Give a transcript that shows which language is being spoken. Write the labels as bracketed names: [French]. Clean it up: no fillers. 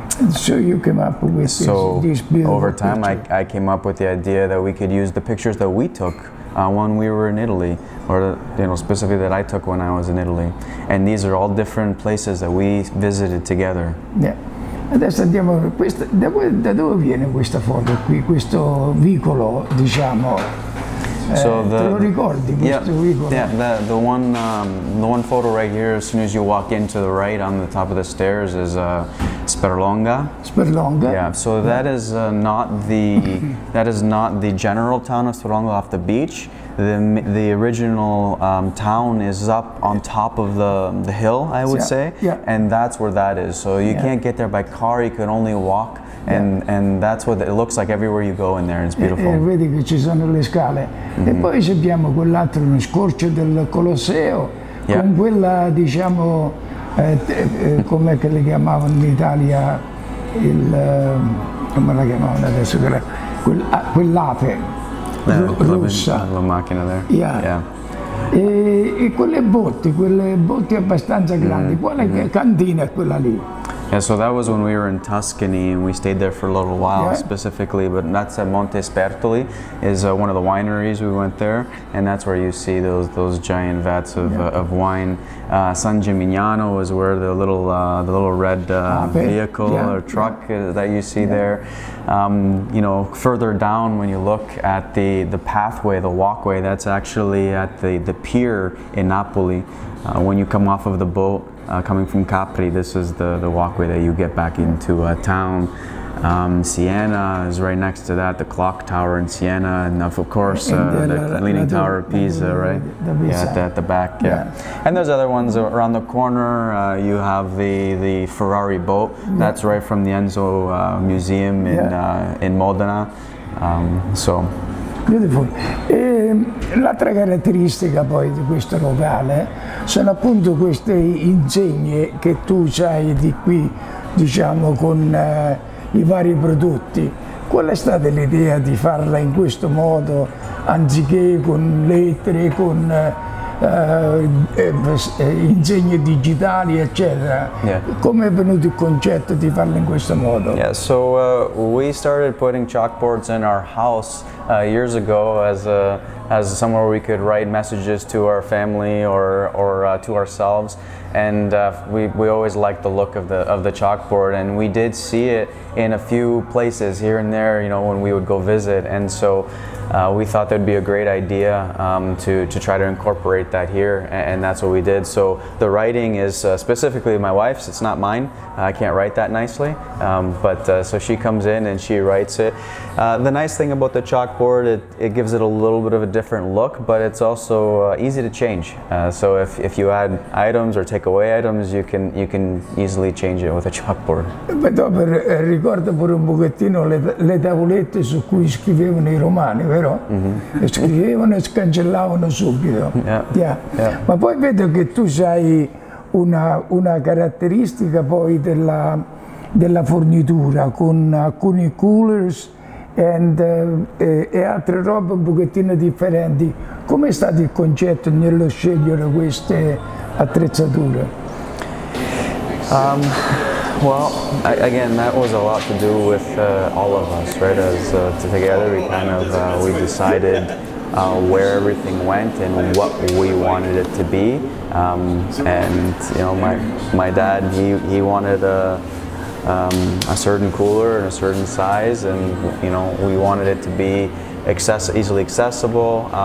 [English] so you came up with this beautiful over time picture. I came up with the idea that we could use the pictures that we took when we were in Italy, or you know, specifically that I took when I was in Italy, and these are all different places that we visited together. [Italian] Adesso andiamo a questa, da dove viene questa foto qui, questo vicolo, diciamo? [English] So the one photo right here, as soon as you walk into the right on the top of the stairs, is Sperlonga. Yeah, so that is not the general town of Sperlonga off the beach. The original town is up on top of the hill, I would say. Yeah. And that's where that is. So you can't get there by car, you can only walk. And that's what it looks like everywhere you go in there, and it's beautiful. [Italian] Vedi che ci sono le scale. E poi abbiamo quell'altro, uno scorcio del Colosseo, con quella, diciamo, come che le chiamavano in Italia, come la chiamavano adesso, quell'ape russa. La macchina there. E quelle botti abbastanza grandi, quella cantina è quella lì. [English] Yeah, so that was when we were in Tuscany, and we stayed there for a little while specifically, but that's at Monte Spertoli, is one of the wineries. We went there, and that's where you see those giant vats of wine. San Gimignano is where the little red vehicle or truck that you see there. You know, further down, when you look at the pathway, the walkway, that's actually at the pier in Napoli. When you come off of the boat, coming from Capri, this is the walkway that you get back into town. Siena is right next to that, the clock tower in Siena, and of course the Leaning Tower of Pisa, right? At the back. And there's other ones around the corner. You have the Ferrari boat. That's right from the Enzo Museum in Modena. So beautiful. [Italian] L'altra caratteristica poi di questo locale sono appunto queste insegne che tu hai di qui, diciamo, con i vari prodotti. Qual è stata l'idea di farla in questo modo, anziché con lettere, con insegne digitali, eccetera. [English] Yeah. [Italian] Come è venuto il concetto di farlo in questo modo? [English] Yeah, so we started putting chalkboards in our house years ago as somewhere we could write messages to our family or to ourselves. And we always liked the look of the chalkboard, and we did see it in a few places here and there, you know, when we would go visit. And so we thought that'd be a great idea to try to incorporate that here, and that's what we did. So the writing is specifically my wife's; it's not mine. I can't write that nicely, so she comes in and she writes it. The nice thing about the chalkboard, it gives it a little bit of a different look, but it's also easy to change. So if you add items or take away items, you can easily change it with a chalkboard. [Italian] Beh, dopo ricordo pure un pochettino le tavolette su cui scrivevano i romani, vero? Mm-hmm. Scrivevano e scancellavano subito. [English] Yeah. Yeah. Yeah. [Italian] Ma poi vedo che tu sei una caratteristica poi della fornitura con alcuni coolers e altre robe un pochettino differenti. Come è stato il concetto nello scegliere queste attrezzature? [English] Well, again, that was a lot to do with all of us, right? As together we kind of we decided where everything went and what we wanted it to be. And you know, my dad, he wanted a certain cooler and a certain size, and you know, we wanted it to be easily accessible.